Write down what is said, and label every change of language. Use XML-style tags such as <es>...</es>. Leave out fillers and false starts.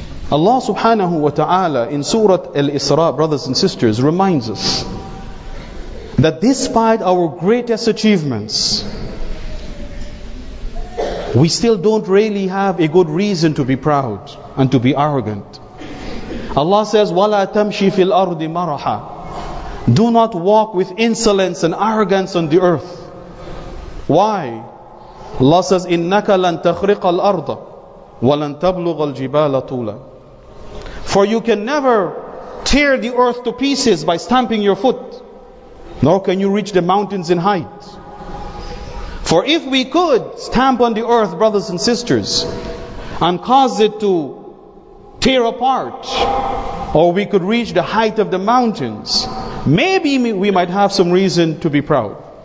<en>Allah subhanahu wa ta'ala in Surah Al-Isra, brothers and sisters, reminds us that despite our greatest achievements, we still don't really have a good reason to be proud and to be arrogant. Allah says,</en> <ar>وَلَا تَمْشِي فِي الْأَرْضِ مَرَحًا.</ar> <en>Do not walk with insolence and arrogance on the earth. Why? Allah says,</en> <ar>إِنَّكَ لَن تَخْرِقَ الْأَرْضَ وَلَن تَبْلُغَ الْجِبَالَ طُولًا.</ar> <en>For you can never tear the earth to pieces by stamping your foot, nor can you reach the mountains in height. For if we could stamp on the earth, brothers and sisters, and cause it to tear apart, or we could reach the height of the mountains, maybe we might have some reason to be proud.</en>